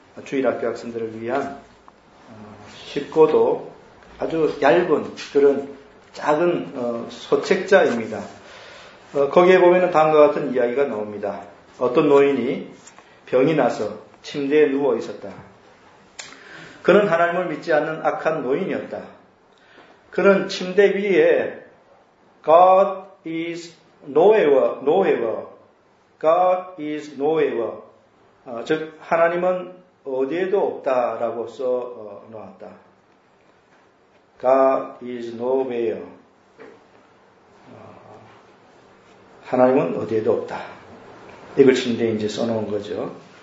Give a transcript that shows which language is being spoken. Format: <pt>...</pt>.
<ko>주일학교 학생들을 위한 쉽고도 아주 얇은 그런 작은 소책자입니다. 거기에 보면은 다음과 같은 이야기가 나옵니다. 어떤 노인이 병이 나서 침대에 누워 있었다. 그는 하나님을 믿지 않는 악한 노인이었다. 그는 침대 위에</ko> <en>God is nowhere, nowhere. God is nowhere.</en> <ko>즉 하나님은 어디에도 없다라고 써 놓았다.</ko> <en>God is nowhere.</en> <ko>하나님은 어디에도 없다. 이걸 침대에 이제 써놓은 거죠.</ko>